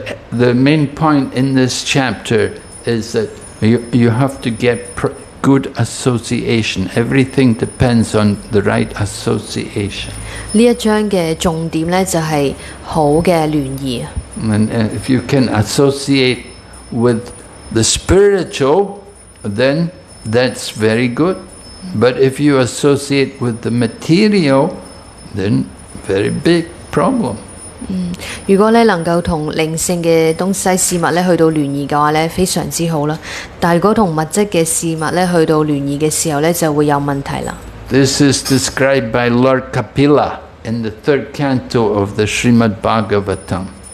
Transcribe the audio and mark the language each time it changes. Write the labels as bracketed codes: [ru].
[en] The main point in this chapter is that you have to get good association. Everything depends on the right association. [zh] 这一章的重点呢,就是好的联谊。 [en] And if you can associate with the spiritual, then that's very good. But if you associate with the material, then very big problem. [zh] 如果能够同灵性的东西事物去到联谊的话，非常之好。但如果同物质的事物去到联谊的时候，就会有问题了。 [en] This is described by Lord Kapila in the third canto of the Srimad Bhagavatam.